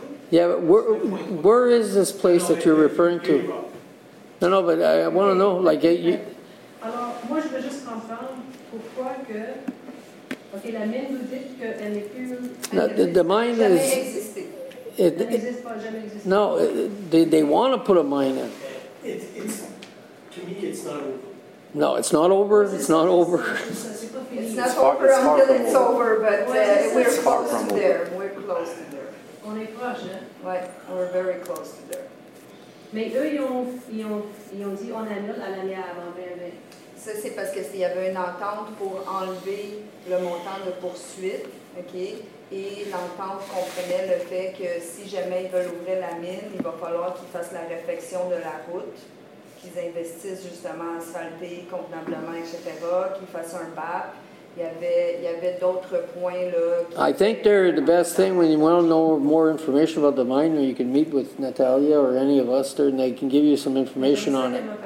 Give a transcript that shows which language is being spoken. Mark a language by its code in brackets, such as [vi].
[en] Yeah, where is this place that you're referring to? No, no, but I want to know, like, you... [fr] Alors, moi, je veux juste comprendre pourquoi que... OK, la mine, vous dites qu'elle n'est plus... [en] No, the mine [fr] jamais [en] is... [fr] Jamais existé. [en] They want to put a mine in. To me, it's not over. No, it's not over. It's not over. It's not over until it's over, but we're close to there. We're close to there. [fr] On est proche, hein? [en] Right. We're very close to there. [fr] Mais eux, ils ont dit on annule à l'année avant 2020. Ça, c'est parce qu'il y avait une entente pour enlever le montant de poursuite, OK? Et l'entente comprenait le fait que si jamais ils veulent ouvrir la mine, il va falloir qu'ils fassent la réfection de la route, qu'ils investissent justement en asphalté, convenablement, etc., qu'ils fassent un BAP. Il y avait d'autres points, là. [en] I think they're the best thing when you want to know more information about the mine, or you can meet with Natalia or any of us there, and they can give you some information on it.